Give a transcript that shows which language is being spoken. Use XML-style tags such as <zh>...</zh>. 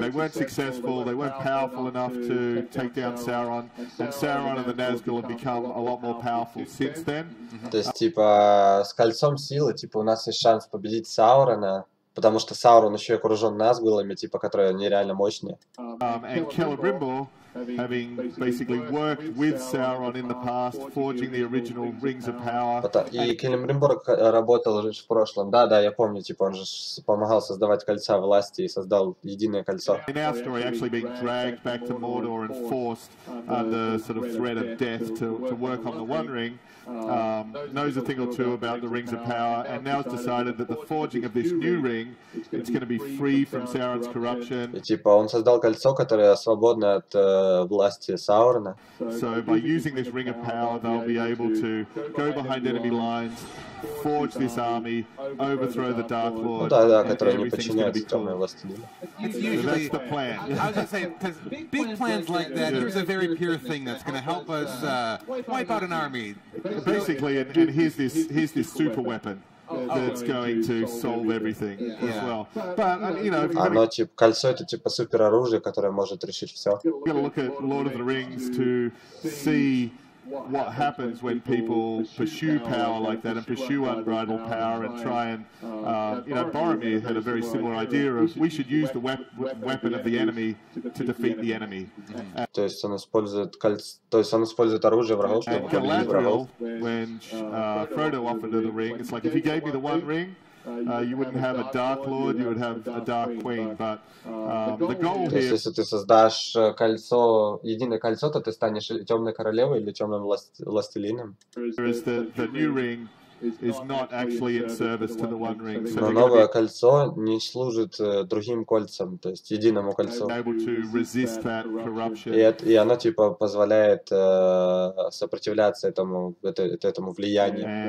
<en>They weren't successful, they weren't powerful enough to take down Sauron, and Sauron and the Nazgul have become a lot more powerful since then.</en> <ru>То есть типа с кольцом силы, типа у нас есть шанс победить Саурона, потому что Саурон еще окружен Назгулами, типа которые нереально мощные.</ru> <en>And Celebrimbor, having basically worked with Sauron in the past, forging the original rings of power.</en> <ru>И Celebrimbor работал уже в прошлом, да, я помню, типа он же помогал создавать кольца власти и создал единое кольцо.</ru> <en>In our story, actually being dragged back to Mordor and forced the sort of threat of death to work on the One Ring, knows a thing or two about the rings of power, and now has decided that the forging of this new ring, it's going to be free from Sauron's corruption.</en> <ru>И типа он создал кольцо, которое свободно от власти Саурона.</ru> <en>So by using this ring of power, they'll be able to go behind enemy lines, forge this army, overthrow the Dark Lord.</en> <ru>Ну, да, который не подчиняется темной власти.</ru> <en>That's the plan. I was gonna say, because big plans like that, here's a very pure thing that's gonna help us wipe out an army. Basically, and here's this super weapon. That's going to solve everything as well. But you know,</en> <ru>кольцо это типа супероружие, которое может решить все.</ru> <en>Gonna look at Lord of the Rings to see what happens when people pursue power like that and pursue unbridled power and try and, you know, Boromir had a very similar idea of we should use the weapon of the enemy to defeat the enemy. And Galadriel, when Frodo offered her the ring, it's like, if you gave me the one ring, you wouldn't have a Dark Lord, you would have a Dark Queen, but the goal here...</en> <ru>То есть, если ты создашь кольцо, единое кольцо, то ты станешь темной королевой или темным властелином?</ru> <en>The new ring is not actually in service to the one ring.</en> <ru>Но новое кольцо не служит другим кольцам, то есть единому кольцу. И оно типа позволяет сопротивляться этому, этому влиянию.</ru>